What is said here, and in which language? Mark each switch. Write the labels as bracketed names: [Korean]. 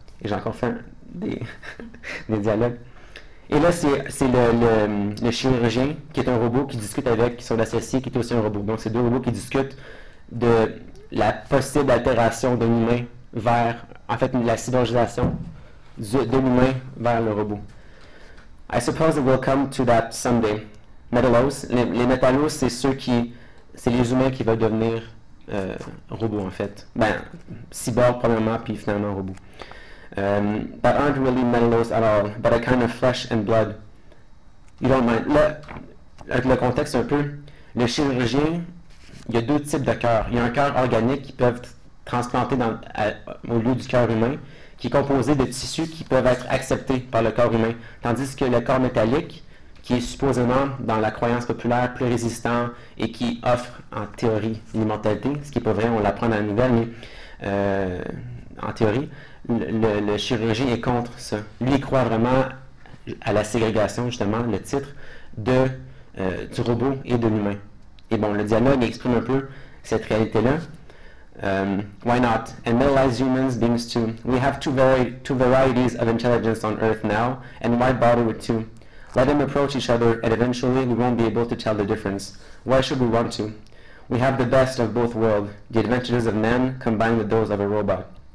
[French] Et j'ai encore fait des dialogues. Et là, c'est le chirurgien qui est un robot qui discute avec son associé qui est aussi un robot. Donc, c'est deux robots qui discutent de la possible altération d'un humain vers, en fait, la cyborgisation de l'humain vers le robot. [English] I suppose it will come to that someday. [French] Metallos, les métallos, c'est les humains qui veulent devenir robots, en fait. Ben, cyborg, premièrement, puis finalement, robots. [English] That aren't really metallos at all, but a kind of flesh and blood. You don't mind. [French] Là, avec le contexte un peu, le chirurgien, il y a deux types de cœurs. Il y a un cœur organique qui peuvent transplanter au lieu du cœur humain, qui est composé de tissus qui peuvent être acceptés par le corps humain. Tandis que le corps métallique, qui est supposément, dans la croyance populaire, plus résistant et qui offre, en théorie, l'immortalité, ce qui n'est pas vrai, on l'apprend dans la nouvelle, mais en théorie, le chirurgien est contre ça. Lui, il croit vraiment à la ségrégation, justement, le titre, du robot et de l'humain. Et bon, le dialogue exprime un peu cette réalité-là. [English] Why not? And metallized humans beings too. We have two varieties of intelligence on Earth now, and why bother with two? Let them approach each other, and eventually we won't be able to tell the difference. Why should we want to? We have the best of both worlds, the adventures of man combined with those of a robot.